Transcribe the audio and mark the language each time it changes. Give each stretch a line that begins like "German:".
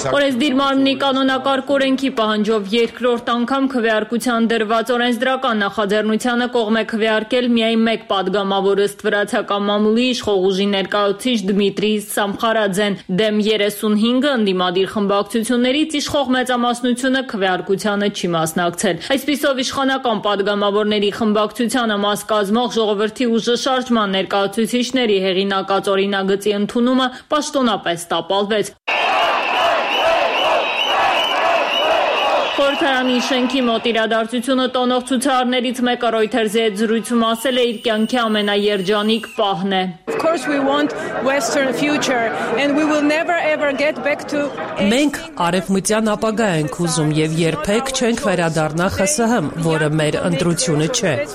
Armenian: սակ։ Օրենսդիր մարմնի կանոնակարգ օրենքի պահանջով երկրորդ անգամ քվեարկության դրված օրենսդրական նախաձեռնությունը կողմ է քվեարկել միայն մեկ падգամավոր ըստ վրացական մամուլի իշխողուժի ներկայացուցիչ Դմիտրի Սամխարաձեն, դեմ 35-ը ընդդիմադիր խմբակցություններից իշխող մեծամասնությունը քվեարկությանը չի մասնակցել։ Այսպիսով իշխանական падգամավորների խմբակցությանը մաս կազմող ժողովրդի ուժը շարժման ներկայացուցիչների հեղինակած օրինագծի ընդունումը պաշտոնապես տապալվեց։ Խորհրդարանի շենքի մոտ իրադարձությունը տոնող ցուցարներից մեկը Ռոյթերզի հետ զրույցում ասել է իր կյանքի ամենաերջանիկ պահն է։
English: Of course we want western future and we will never ever get back to
Armenian: Մենք արևմտյան ապագա ենք ուզում եւ երբեք չենք վերադառնա ԽՍՀՄ, որը մեր ընտրությունը չէ։